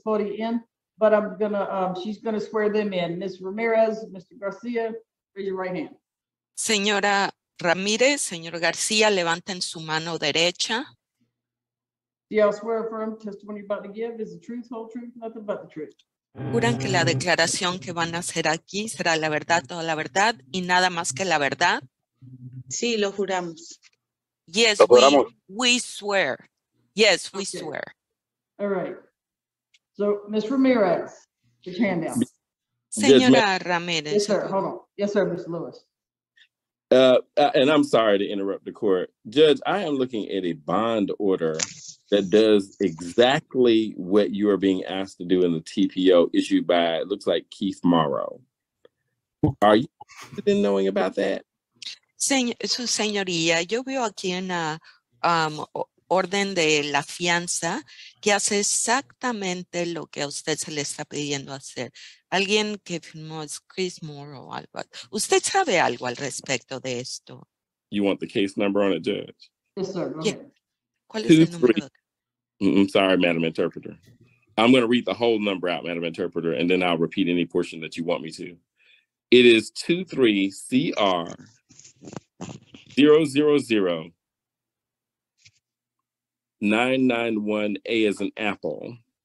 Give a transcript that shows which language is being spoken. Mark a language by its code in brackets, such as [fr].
[en] Claudia in, but I'm gonna, she's gonna swear them in. Ms. Ramirez, Mr. Garcia, raise your right hand. [es] Señora Ramirez, señor García, levanten su mano derecha. [en] Do y'all swear affirm testimony you're about to give is the truth, whole truth, nothing but the truth? [es] Juran que la declaración que van a hacer aquí será la verdad, toda la verdad y nada más que la verdad. Sí, lo juramos. [en] Yes, [es] lo juramos. [en] We swear. Yes, we okay. Swear. All right. So, Ms. Ramirez, put your hand down. [es] Señora Ramirez. [en] Yes, sir. Hold on. Yes, sir, Ms. Lewis. And I'm sorry to interrupt the court. Judge, I am looking at a bond order that does exactly what you are being asked to do in the TPO issued by, it looks like, Keith Morrow. Are you interested in knowing about that? [es] Su señoría, yo veo aquí una orden de la fianza que hace exactamente lo que a usted se le está pidiendo hacer. Alguien que firmó es Chris Moore o algo. ¿Usted sabe algo al respecto de esto? [en] You want the case number on it, Judge? Yes, sir. [es] ¿Cuál es el número? [en] I'm sorry, Madam Interpreter. I'm going to read the whole number out, Madam Interpreter, and then I'll repeat any portion that you want me to. It is 23CR. 000-991-A as an apple.